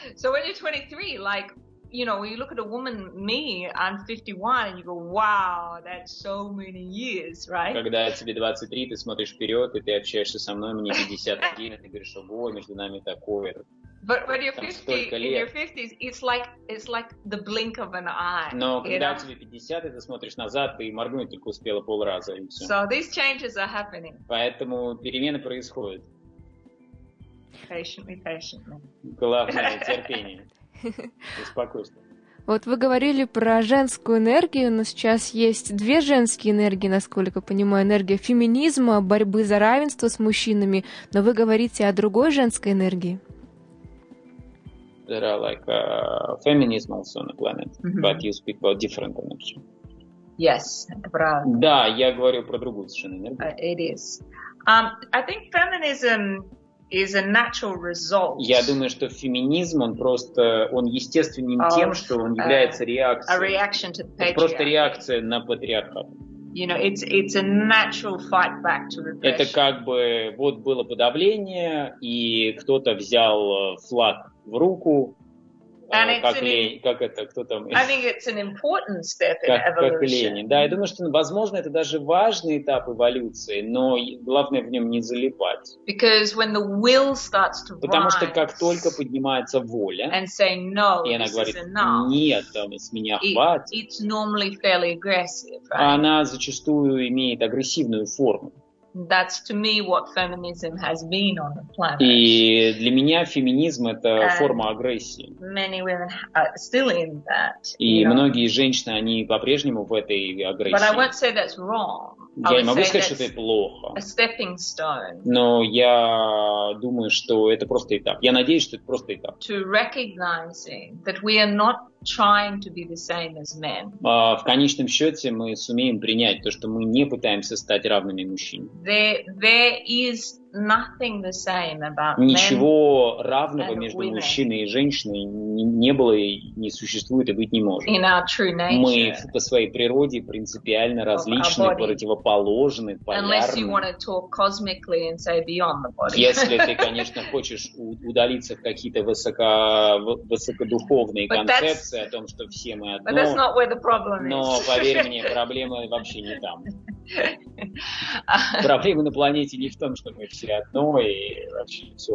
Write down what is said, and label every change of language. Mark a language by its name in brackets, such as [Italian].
[English] So when you're 23, like, you know, when you look at a woman, me, I'm 51, and you go, wow, that's so many years, right? [Russian] Когда тебе 23, ты смотришь вперед, и ты общаешься со мной, мне 51, и ты говоришь, ого, между нами такое. [English] But when you're 50, in your 50s, it's like the blink of an eye. [Russian] Но когда тебе 50, и ты смотришь назад, ты моргнуть только успела полраза, и все. [English] So these changes are happening. [Russian] Поэтому перемены происходят. [English] Patiently. [Russian] Главное, терпение. Успокойся. Вот вы говорили про женскую энергию, но сейчас есть две женские энергии, насколько я понимаю, энергия феминизма, борьбы за равенство с мужчинами, но вы говорите о другой женской энергии. [English] There are like a feminism also on the planet, but you speak about different energy. Yes, [Russian] про. Да, я говорю про другую совершенно энергию. [English] It is. I think feminism is a natural result. [Russian] Я думаю, что феминизм, он просто, он естественен тем, что он является реакцией. [English] A reaction to the patriarchy. [Russian] Просто реакция на патриархат. [English] You know, it's a natural fight back to repression. [Russian] Это как бы, вот было подавление, и кто-то взял флаг в руку, [English] And [Russian] как, [English] it's [Russian] Ленин, как это, кто там? [English] I think it's an important step in evolution. [Russian] Как Ленин. Да, я думаю, что, возможно, это даже важный этап эволюции, но главное в нем не залипать. [English] Because when the will starts to rise, [Russian] потому что как только поднимается воля, [English] and say, no, [Russian] и она говорит, [English] this is enough, [Russian] нет, там, с меня хватит, [English] it's normally fairly aggressive, right? [Russian] Она зачастую имеет агрессивную форму. [English] That's to me what feminism has been on the planet. [Russian] И для меня феминизм это форма агрессии. [English] Many women are still in that. [Russian] И многие женщины они по-прежнему в этой агрессии. [English] But I won't say that's wrong. [Russian] Я не могу сказать, что это плохо. [English] A stepping stone. [Russian] Но я думаю, что это просто этап. Я надеюсь, что это просто этап. [English] To recognizing that we are not trying to be the same as men. [Russian] В конечном счете мы сумеем принять то, что мы не пытаемся стать равными мужчинам. [English] There is nothing the same about men. [Russian] Ничего равного между мужчиной и женщиной не было и не существует и быть не может. [English] In our true nature. [Russian] Мы по своей природе принципиально различны, противоположны, полярны. [English] Unless you want to talk cosmically and say beyond the body. [Russian] Если ты, конечно, хочешь удалиться в какие-то высокодуховные концепции. О том, что все мы одно, [English] But that's not where the problem is. [Russian] Но, поверь мне, проблема вообще не там. Проблема на планете не в том, что мы все одно, и вообще все